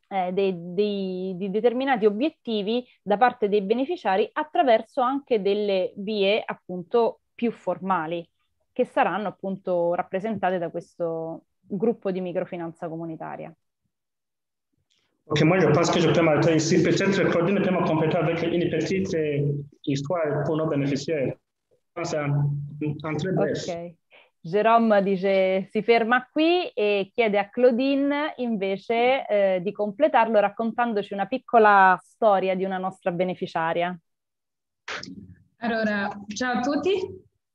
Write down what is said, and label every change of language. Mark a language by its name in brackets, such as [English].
[Italian] di determinati obiettivi da parte dei beneficiari attraverso anche delle vie appunto più formali, che saranno appunto rappresentate da questo gruppo di microfinanza comunitaria. [French] Ok, moi je pense que je peux m'arrêter ici. Peut-être que Claudine peut me compléter avec une petite histoire pour nos bénéficiaires. Je pense en très bref. Ok. [Italian] Jérôme dice, si ferma qui e chiede a Claudine invece di completarlo raccontandoci una piccola storia di una nostra beneficiaria. Allora, ciao a tutti.